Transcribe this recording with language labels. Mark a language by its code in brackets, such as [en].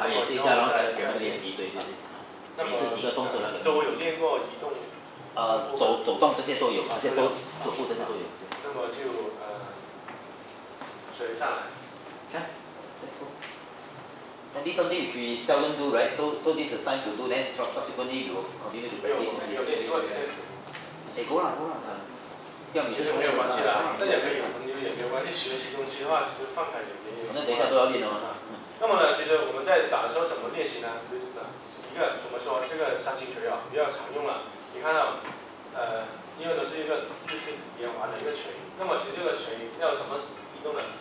[zh] 演示一下，然后再给我们练习，对吗？那么每次几个动作那个都有练过移动，走动这些都有，这些都走步这些都有。那么就谁上来？ [en] And this is something if we seldom do, right? So this is time to do, then subsequently you will continue to practice. Go on, go on. [zh] 其实没有关系啦，大家可以很有也没有关系，学习东西的话其实放开也没有。那等一下都要练的嘛。那么呢，其实我们在打的时候怎么练习呢？一个我们说这个三星锤啊比较常用了，你看到因为都是一个日式连环的一个锤，那么其实这个锤要怎么移动呢？